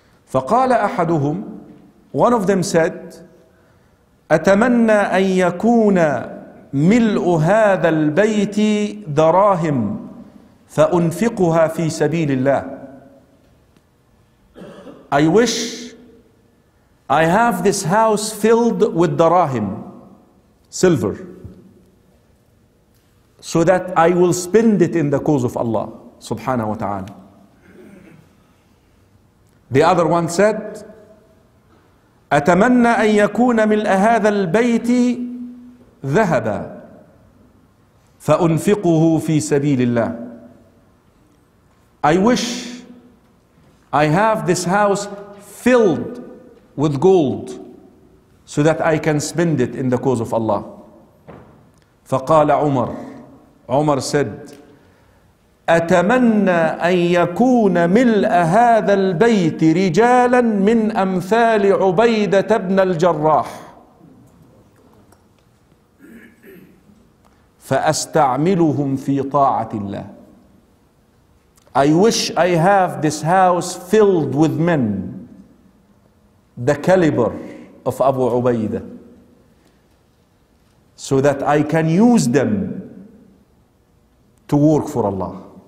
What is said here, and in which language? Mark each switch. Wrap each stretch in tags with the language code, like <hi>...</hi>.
<ar>فقال أحدهم,</ar> <en>one of them said,</en> <ar>أتمنى أن يكون ملء هذا البيت دراهم فأنفقها في سبيل الله.</ar> <en>I wish I have this house filled with dirham, silver, so that I will spend it in the cause of Allah subhanahu wa ta'ala. The other one said,</en> <ar>أتمنى أن يكون ملء هذا البيت ذهبا فأنفقه في سبيل الله.</ar> <en>I wish I have this house filled with gold so that I can spend it in the cause of Allah.</en> <ar>فقال عمر, عمر said, أتمنى أن يكون ملء هذا البيت رجالا من أمثال عبيدة بن الجراح فأستعملهم في طاعة الله.</ar> <en>I wish I have this house filled with men the caliber of Abu Ubaidah so that I can use them to work for Allah.</en>